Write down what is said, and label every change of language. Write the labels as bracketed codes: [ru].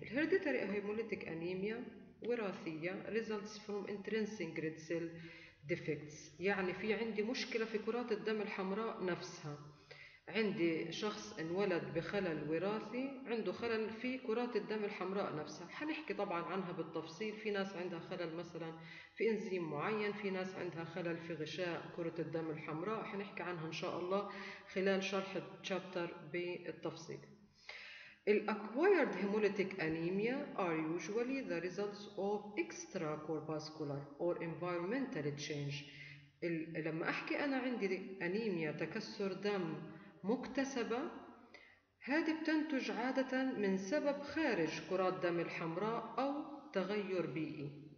[ar] الهيرديتري هيموليتك أنيميا وراثية [en] results from intrinsic red cell defects، [ar] يعني في عندي مشكلة في كرات الدم الحمراء نفسها، عندي شخص انولد بخلل وراثي عنده خلل في كرات الدم الحمراء نفسها. حنحكي طبعا عنها بالتفصيل، في ناس عندها خلل مثلا في انزيم معين، في ناس عندها خلل في غشاء كرة الدم الحمراء، حنحكي عنها ان شاء الله خلال شرح التشابتر بالتفصيل. [en] الacquired hemolytic anemia are usually the results of extra corpuscular or environmental change. [ar] لما احكي انا عندي انيميا تكسر دم مكتسبة، هذه بتنتج عادة من سبب خارج كرات دم الحمراء أو تغير بيئي.